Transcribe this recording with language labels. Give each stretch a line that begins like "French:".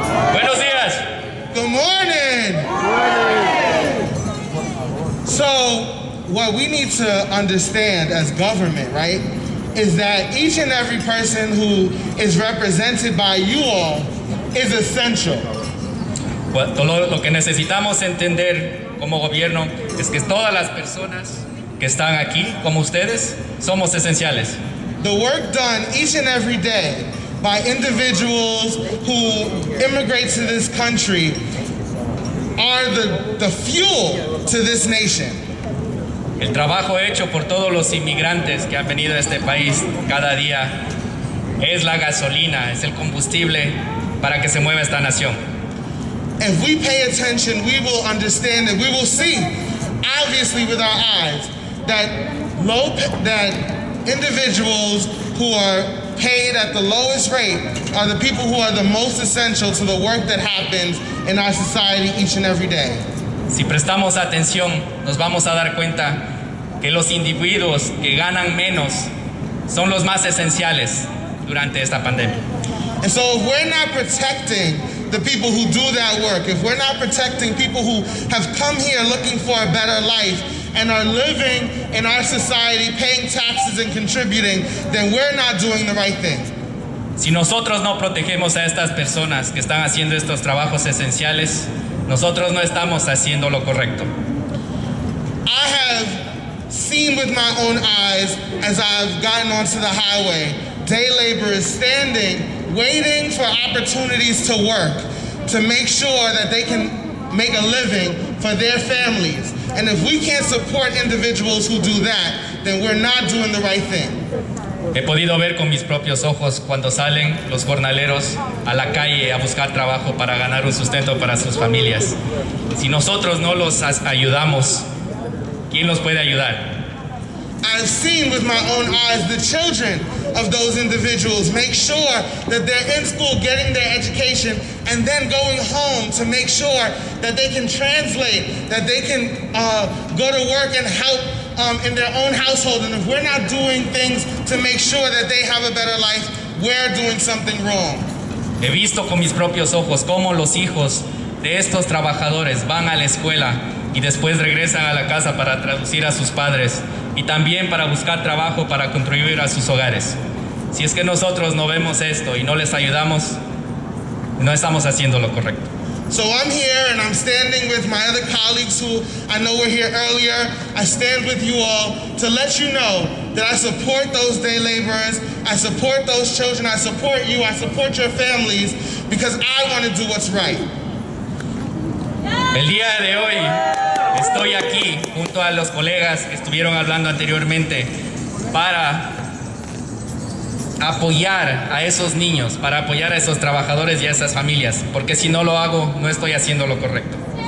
Spanish: Buenos días.
English: Good morning. So what we need to understand as government, right, is that each and every person who is represented by you all is essential.
Spanish: Well, lo que necesitamos entender como gobierno es que todas las personas que están aquí, como ustedes, somos esenciales.
English: The work done each and every day by individuals who immigrate to this country are the fuel to this nation.
Spanish: El trabajo hecho por todos los inmigrantes que han venido a este país cada día es la gasolina, es el combustible para que se mueva esta nación.
English: If we pay attention, we will understand and we will see, obviously with our eyes, that individuals who are paid at the lowest rate are the people who are the most essential to the work that happens in our society each and every day.
Spanish: Si prestamos atención, nos vamos a dar cuenta que los individuos que ganan menos son los más esenciales durante esta pandemia.
English: And so if we're not protecting the people who do that work, if we're not protecting people who have come here looking for a better life and are living in our society, paying taxes and contributing, then we're not doing the right thing.
Spanish: Si nosotros no protegemos a estas personas que están haciendo estos trabajos esenciales, nosotros no estamos haciendo lo correcto.
English: I have seen with my own eyes as I've gotten onto the highway, day laborers standing, waiting for opportunities to work, to make sure that they can make a living for their families. And if we can't support individuals who do that, then we're not doing the right thing.
Spanish: He podido ver con mis propios ojos cuando salen los jornaleros a la calle a buscar trabajo para ganar un sustento para sus familias. Si nosotros no los ayudamos, ¿quién los puede ayudar?
English: I've seen with my own eyes the children of those individuals make sure that they're in school getting their education and then going home to make sure that they can translate, that they can go to work and help in their own household. And if we're not doing things to make sure that they have a better life, we're doing something wrong.
Spanish: He visto con mis propios ojos cómo los hijos de estos trabajadores van a la escuela y después regresan a la casa para traducir a sus padres y también para buscar trabajo para contribuir a sus hogares. Si es que nosotros no vemos esto y no les ayudamos, no estamos haciendo lo correcto.
English: So I'm here and I'm standing with my other colleagues who I know were here earlier. I stand with you all to let you know that I support those day laborers, I support those children, I support you, I support your families, because I want to do what's right.
Spanish: El día de hoy estoy aquí junto a los colegas que estuvieron hablando anteriormente para apoyar a esos niños, para apoyar a esos trabajadores y a esas familias, porque si no lo hago, no estoy haciendo lo correcto.